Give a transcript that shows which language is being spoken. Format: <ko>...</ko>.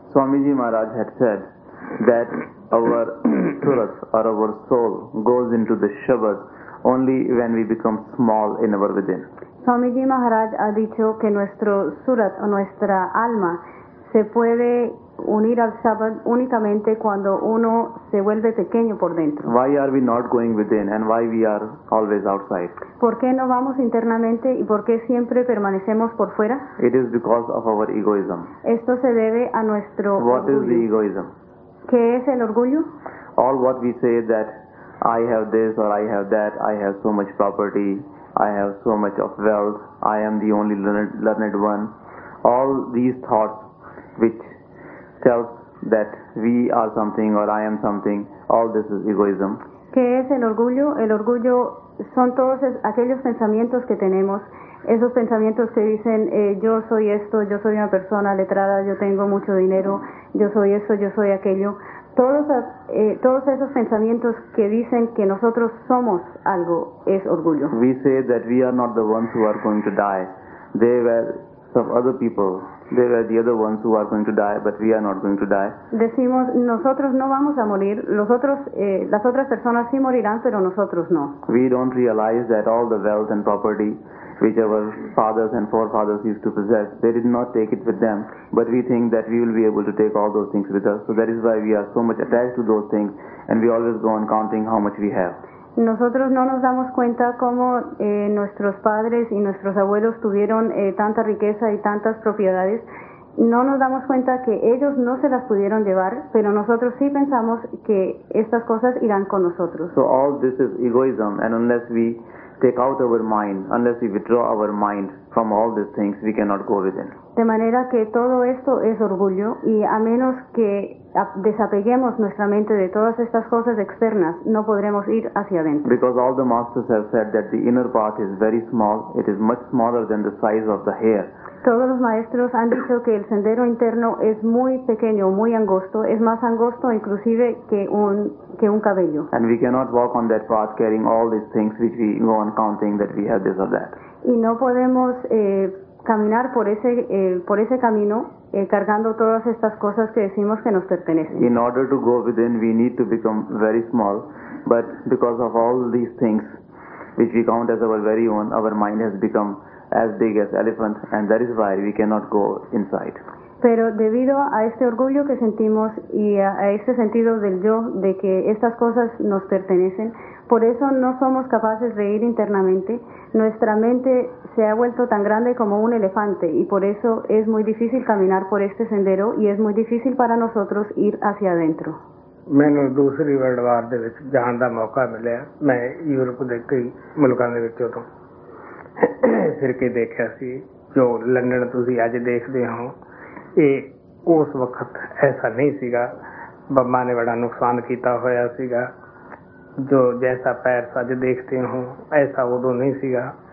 <en>Swami ji Maharaj had said that our tours or our soul goes into the shabad only when we become small in our within.</en> <es>ਸਵਾਮੀ ਜੀ ਮਹਾਰਾਜ ਆ ਦਿੱਚੋ ਕਿ ਨੁਸਤਰੋ ਸੁਰਤ ਨੁਸਤਰਾ ਆਲਮਾ ਸੇ ਪੁਏਵੇ unir al shabad únicamente cuando uno se vuelve pequeño por dentro.</es> <en>Why are we not going within and why we are always outside?</en> <es>¿Por qué no vamos internamente y por qué siempre permanecemos por fuera?</es> <en>It is because of our egoism.</en> <es>Esto se debe a nuestro</es> <en>What</en> <es>orgullo.</es> <en>What is the egoism?</en> <es>¿Qué es el orgullo?</es> <en>All what we say that I have this or I have that, I have so much property, I have so much of wealth, I am the only learned one. All these thoughts which tells that we are something or I am something, all this is egoism.</en> <es>¿Qué es el orgullo? El orgullo son todos aquellos pensamientos que tenemos, esos pensamientos que dicen yo soy esto, yo soy una persona letrada, yo tengo mucho dinero, yo soy eso, yo soy aquello. Todos esos pensamientos que dicen que nosotros somos algo es orgullo.</es> <en>We say that we are not the ones who are going to die. They were some other people. They are the other ones who are going to die, but we are not going to die.</en> <es>Decimos, nosotros no vamos a morir, las otras personas sí morirán, pero nosotros no.</es> <en>We don't realize that all the wealth and property which our fathers and forefathers used to possess, they did not take it with them, but we think that we will be able to take all those things with us. So that is why we are so much attached to those things, and we always go on counting how much we have.</en> <es>Nosotros no nos damos cuenta cómo nuestros padres y nuestros abuelos tuvieron tanta riqueza y tantas propiedades. No nos damos cuenta que ellos no se las pudieron llevar, pero nosotros sí pensamos que estas cosas irán con nosotros.</es> <en>So all this is egoism, and unless we take out our mind, unless we withdraw our mind from all these things, we cannot go within.</en> <es>De manera que todo esto es orgullo, y a menos que desapeguemos nuestra mente de todas estas cosas externas, no podremos ir hacia adentro.</es> <en>Because all the masters have said that the inner part is very small, it is much smaller than the size of the hair.</en> <es>Todos los maestros han dicho que el sendero interno es muy pequeño, muy angosto, es más angosto inclusive que un cabello.</es> <en>And we cannot walk on that path carrying all these things which we go on counting that we have this or that.</en> <es>Y no podemos caminar por ese camino cargando todas estas cosas que decimos que nos pertenecen.</es> <en>In order to go within, we need to become very small, but because of all these things which we count as our very own, our mind has become as big as elephant, and that is why we cannot go inside.</en> <es>Pero debido a este orgullo que sentimos y a este sentido del yo, de que estas cosas nos pertenecen, por eso no somos capaces de ir internamente. Nuestra mente se ha vuelto tan grande como un elefante, y por eso es muy difícil caminar por este sendero, y es muy difícil para nosotros ir hacia adentro.</es> <pa>ਮੈਨੂੰ ਦੂਸਰੀ world war ਦੇ ਵਿੱਚ ਜਾਣ ਦਾ ਮੌਕਾ ਮਿਲਿਆ। ਮੈਂ Europe ਦੇ ਕਈ ਮੁਲਕਾਂ ਦੇ ਵਿੱਚ ਉਦੋਂ ਫਿਰ ਕੇ ਦੇਖਿਆ ਸੀ। ਜੋ ਲੰਡਨ ਤੁਸੀਂ ਅੱਜ ਦੇਖਦੇ ਹੋ, ਇਹ ਉਸ ਵਕਤ ਐਸਾ ਨਹੀਂ ਸੀਗਾ। ਬੰਬਾ ਨੇ ਬੜਾ ਨੁਕਸਾਨ ਕੀਤਾ ਹੋਇਆ ਸੀਗਾ। ਜੋ ਜੈਸਾ ਪੈਰਸ ਅੱਜ ਦੇਖਦੇ ਹੋ, ਐਸਾ ਉਦੋਂ ਨਹੀਂ ਸੀਗਾ।</pa>